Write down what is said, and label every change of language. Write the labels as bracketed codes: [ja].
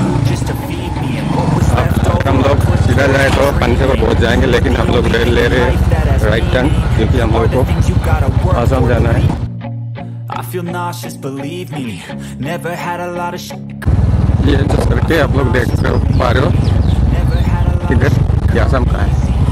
[hi] हम लोग सीधा जाए तो पंखे पर पहुंच जाएंगे, लेकिन हम लोग रेल ले रहे राइट टर्न क्योंकि हम लोग को असम जाना है। [en] I feel nauseous, believe me. Never had a lot of [hi] ये जो सड़के आप लोग देख पा रहे हो इधर ये असम का है।